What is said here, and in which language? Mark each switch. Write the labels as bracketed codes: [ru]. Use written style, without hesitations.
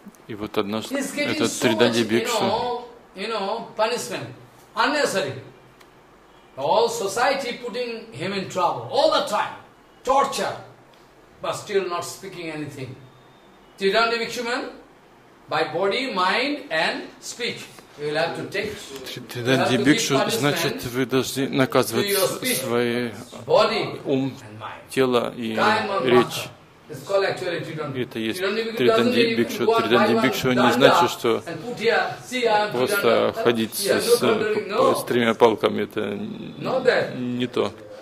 [ru] И вот однажды этот Триданди Бхикшу. [en] You know, punishment, unnecessary. All society putting him in trouble, all the time, torture, but still not speaking anything. Tridandi Bhikshu man. By body, mind, and speech, you will have to take. [ru] Триданди Бхикшу, значит, вы должны наказывать свои ум, тело и речь. Это есть Триданди Бхикшу. Триданди Бхикшу не значит, что просто ходить с тремя палками, это не то.